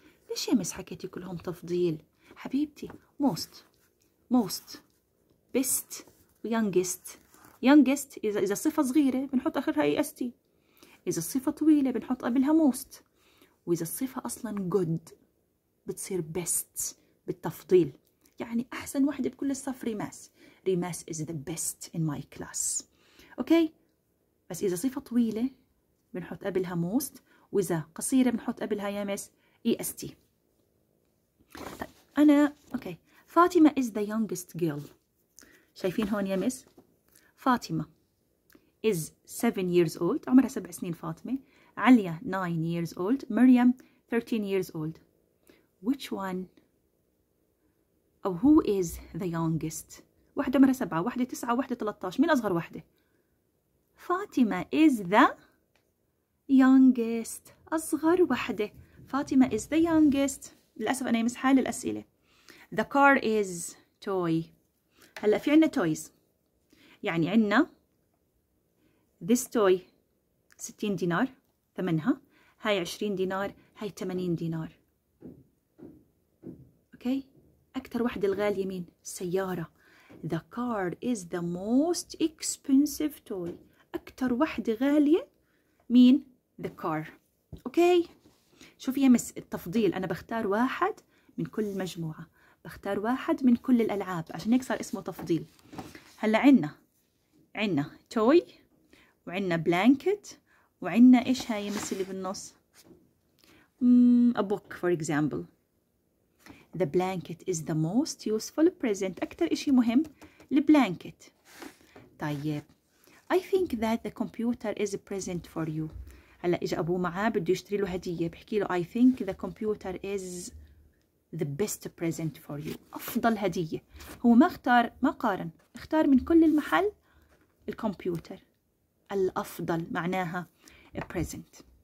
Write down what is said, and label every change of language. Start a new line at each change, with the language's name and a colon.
Arabic: ليش يا مس حكيتي كلهم تفضيل؟ حبيبتي most, most, best, youngest. youngest إذا صفة صغيرة بنحط آخرها est، إذا الصفة طويلة بنحط قبلها most، وإذا الصفة أصلا good بتصير best بالتفضيل، يعني أحسن واحدة بكل الصف ريماس.
English: Rimas is the best in my class.
Arabic: أوكي بس إذا صفة طويلة بنحط قبلها most، وإذا قصيرة بنحط قبلها يا مس est. طيب أنا أوكي،
English: Fatima is the youngest girl.
Arabic: شايفين هون يا مس، فاطمة
English: is 7 years old،
Arabic: عمرها 7 سنين فاطمة.
English: عليا 9 years old. Maryam 13 years old.
Arabic: Which one أو
English: who is the youngest؟
Arabic: واحدة عمرها 7، واحدة 9، واحدة 13، مين أصغر واحدة؟ فاطمة
English: is the youngest،
Arabic: أصغر واحدة.
English: Fatima is the youngest.
Arabic: للأسف أنا يمس حال الأسئلة.
English: The car is toy.
Arabic: هلأ في عنا toys، يعني عنا this toy 60 دينار ثمنها، هاي 20 دينار، هاي 80 دينار. اوكي اكثر واحدة الغالية مين؟ السيارة.
English: the car is the most expensive toy،
Arabic: اكثر واحدة غالية مين؟
English: the car.
Arabic: اوكي شوفي يا مس التفضيل، انا بختار واحد من كل مجموعة، بختار واحد من كل الالعاب، عشان هيك صار اسمه تفضيل. هلا عنا توي، وعنا بلانكت، وعنا ايش هاي مس اللي بالنص؟ a book for example.
English: the blanket is the most useful present،
Arabic: اكثر اشي مهم البلانكت.
English: طيب I think that the computer is a present for you.
Arabic: هلا اجى ابوه معاه بده يشتري له هديه، بحكي له
English: I think the computer is the best present for you،
Arabic: افضل هديه. هو ما اختار، ما قارن، اختار من كل المحل الكمبيوتر الأفضل، معناها a present.